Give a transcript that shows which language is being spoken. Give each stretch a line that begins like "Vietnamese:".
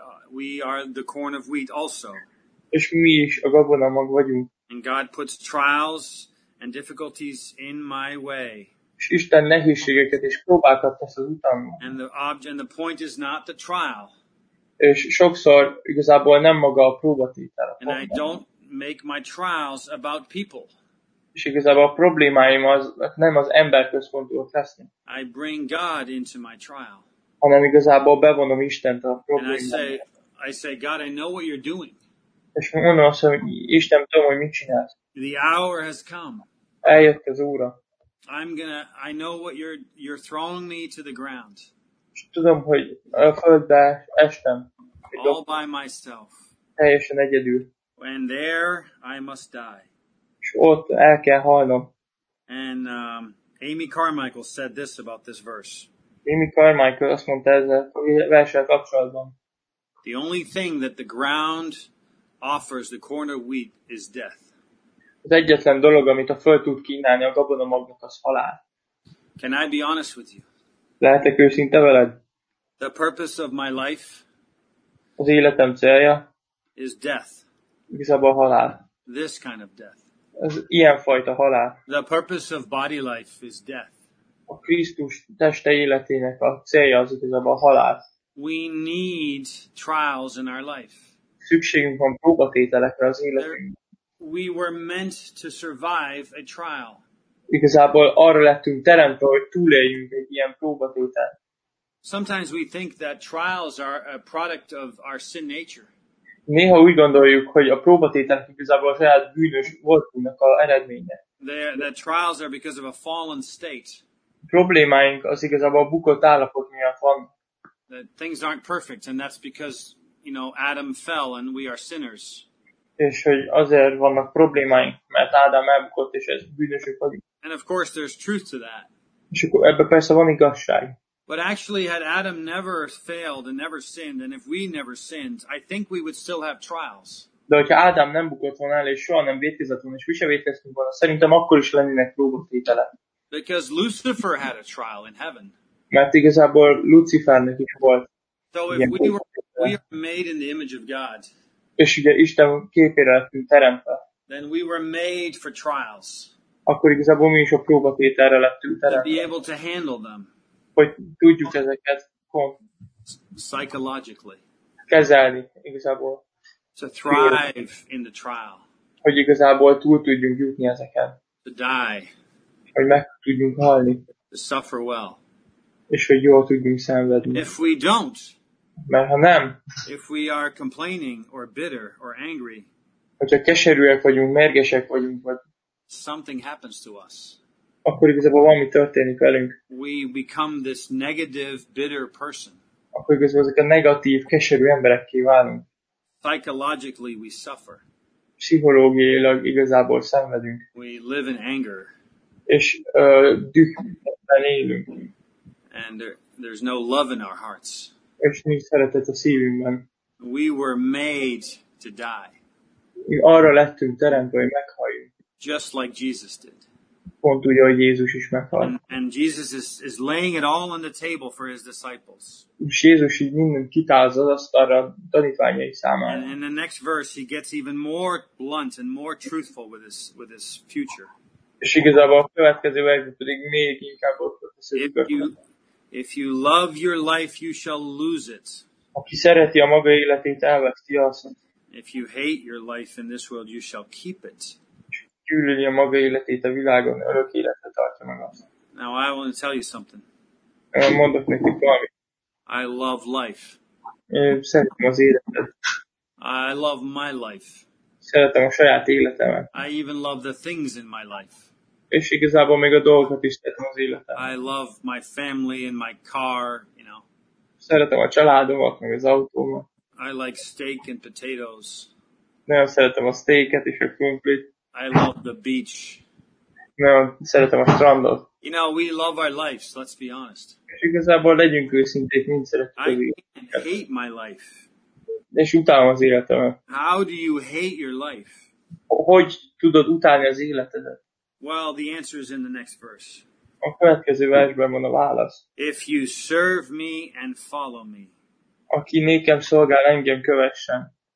English: We are the corn of wheat also.
Hungarian: És mi is a gabona mag vagyunk.
English: And God puts trials and difficulties in my way.
Hungarian: És Isten nehézségeket és próbákat tesz az utamban.
English: And the point is not the trial.
Hungarian: És sokszor igazából nem maga a próbatétel.
English: And I don't make my trials about people.
Hungarian: És igazából a problémáim az, nem az ember központúat leszni.
English: I bring God into my trial.
Hungarian: Hanem igazából bevonom Istent a problémáimra.
English: And I say, God, I know what you're doing.
Hungarian: És mondom azt, hogy Isten, tudom, hogy mit csinálsz.
English: The hour has come.
Hungarian: Eljött az óra.
English: I know what you're throwing me to the ground.
Hungarian: És tudom, hogy a földbe estem.
English: All by myself.
Hungarian: Teljesen egyedül.
English: And there I must die.
Hungarian: És ott el kell halnom.
English: And Amy Carmichael said this about this verse.
Hungarian: Amy Carmichael azt mondta ezzel a verssel kapcsolatban.
English: The only thing that the ground offers the corn of wheat is death.
Hungarian: Az egyetlen dolog, amit a föld tud kínálni a gabonamagnak, az halál.
English: Can I be honest with you?
Hungarian: Lehetek őszinte veled?
English: The purpose of my life.
Hungarian: Az életem célja.
English: Is death.
Hungarian: Igazából halál.
English: This kind of death.
Hungarian: Ez ilyen fajta halál.
English: The purpose of body life is death.
Hungarian: A Krisztus teste életének a célja az igazából a halál.
English: We need trials in our life.
Hungarian: Szükségünk van próbatételekre az életünkben.
English: We were meant to survive a trial.
Hungarian: Igazából arra lettünk teremtve, hogy túléljünk egy ilyen próbatételt.
English: Sometimes we think that trials are a product of our sin nature.
Hungarian: Néha úgy gondoljuk, hogy a próbatételek igazából a saját bűnös voltunknak a eredménye.
English: The trials are because of a fallen state.
Hungarian: Problémáink az igazából a bukott állapot miatt van.
English: That things aren't perfect, and that's because, you know, Adam fell, and we are sinners.
Hungarian: És hogy azért vannak problémáink, mert Ádám elbukott, és ez bűnösök vagyunk.
English: And of course there's truth to that.
Hungarian: És akkor ebben persze van igazság.
English: But actually, had Adam never failed and never sinned, and if we never sinned, I think we would still have trials.
Hungarian: De hogyha Ádám nem bukott volna el, és soha nem vétkezett volna, és mi sem vétkeztünk volna, szerintem akkor is lennének próbatételek.
English: Because Lucifer had a trial in heaven.
Hungarian: Mert igazából Lucifernek is volt.
English: So if we were made in the image of God,
Hungarian: és ugye Isten képére lettünk teremtve,
English: then we were made for trials.
Hungarian: Akkor igazából mi is a próbatételre lettünk teremtve.
English: To be able to handle them.
Hungarian: Hogy tudjuk ezeket
English: psychologically
Hungarian: kezelni igazából.
English: To thrive in the trial.
Hungarian: Hogy igazából túl tudjunk jutni ezeken.
English: To die.
Hungarian: Hogy meg tudjunk halni.
English: To suffer well.
Hungarian: És hogy jól tudjunk szenvedni.
English: If we don't.
Hungarian: Mert ha nem.
English: If we are complaining or bitter or angry.
Hungarian: Hogyha keserűek vagyunk, mérgesek vagyunk. Vagy
English: something happens to us.
Hungarian: Akkor igazából valami történik velünk.
English: We become this negative, bitter person.
Hungarian: Akkor igazából ezek a negatív, keserű emberekké válunk.
English: Psychologically we suffer.
Hungarian: Pszichológiailag igazából szenvedünk.
English: We live in anger.
Hungarian: És dühben élünk.
English: And there's no love in our hearts.
Hungarian: És nincs szeretet a szívünkben.
English: We were made to die.
Hungarian: Arra lettünk teremtve, hogy meghalljunk.
English: Just like Jesus did.
Hungarian: pont úgy, ahogy Jézus is meghalt.
English: And Jesus is laying it all on the table for his disciples.
Hungarian: És Jézus így mindent kitálza az asztalra tanítványai számára.
English: And in the next verse he gets even more blunt and more truthful with his future.
Hungarian: És igazából a következő verse pedig még inkább ott a
English: If you love your life, you shall lose it.
Hungarian: Aki szereti a maga életét, elveszti azt.
English: If you hate your life in this world, you shall keep it.
Hungarian: Gyűlöli a maga életét a világon, örök életre tartja meg azt.
English: Now I want to tell you something.
Hungarian: Mondok nekik valamit.
English: I love life.
Hungarian: Szeretem az életet.
English: I love my life.
Hungarian: Szeretem a saját életemet.
English: I even love the things in my life.
Hungarian: És igazából még a dolgokat is szeretem az életem.
English: I love my family and my car, you know.
Hungarian: Szeretem a családomat, meg az autómat.
English: I like steak and potatoes.
Hungarian: Nagyon szeretem a steaket és a krumplit.
English: I love the beach.
Hungarian: Nagyon szeretem a strandot.
English: You know, we love our lives, let's be honest.
Hungarian: És igazából legyünk őszinték, mind szeretjük.
English: I hate my life.
Hungarian: És utálom az életemet.
English: How do you hate your life?
Hungarian: Hogy tudod utálni az életedet?
English: Well, the answer is in the next verse.
Hungarian: A következő versben van a válasz.
English: If you serve me and follow me.
Hungarian: Aki nékem szolgál, engem kövessen.